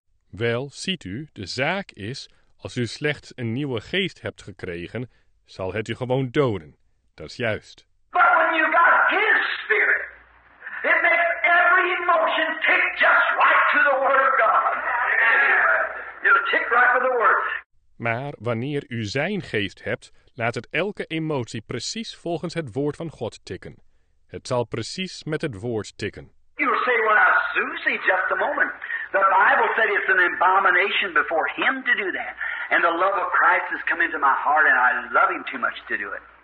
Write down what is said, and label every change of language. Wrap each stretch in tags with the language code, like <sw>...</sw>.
<nl>Wel, ziet u, de zaak is, als u slechts een nieuwe geest hebt gekregen, zal het u gewoon doden. Dat is juist.</nl> <en>But when you got his spirit, it makes every emotion tick just right to the word of God. It'll tick right with the word.</en> <nl>Maar wanneer u zijn geest hebt, laat het elke emotie precies volgens het woord van God tikken. Het zal precies met het woord tikken.</nl> <en>You'll say, well, now, Susie, just a moment. The Bible said it's an abomination before him to do that. And the love of Christ has come into my heart and I love him too much to do it.</en>